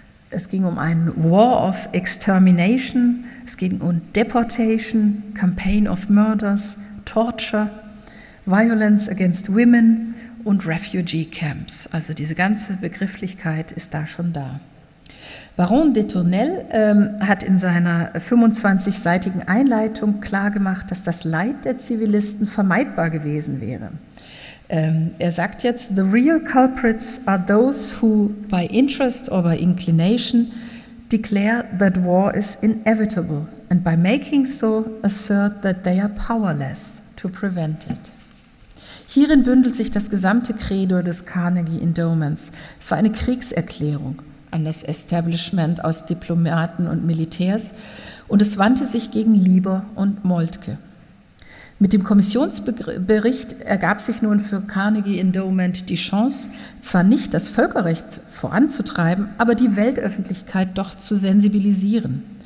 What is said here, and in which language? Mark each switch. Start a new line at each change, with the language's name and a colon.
German: Es ging um einen
English: War of Extermination,
German: es ging um Deportation,
English: Campaign of Murders, Torture, Violence against Women
German: und
English: Refugee Camps.
German: Also diese ganze Begrifflichkeit ist da schon da. Baron de Tournelle hat in seiner 25-seitigen Einleitung klargemacht, dass das Leid der Zivilisten vermeidbar gewesen wäre. Er sagt jetzt,
English: the real culprits are those who, by interest or by inclination, declare that war is inevitable and by making so assert that they are powerless to prevent it.
German: Hierin bündelt sich das gesamte Credo des Carnegie Endowments. Es war eine Kriegserklärung an das Establishment aus Diplomaten und Militärs und es wandte sich gegen Lieber und Moltke. Mit dem Kommissionsbericht ergab sich nun für Carnegie Endowment die Chance, zwar nicht das Völkerrecht voranzutreiben, aber die Weltöffentlichkeit doch zu sensibilisieren.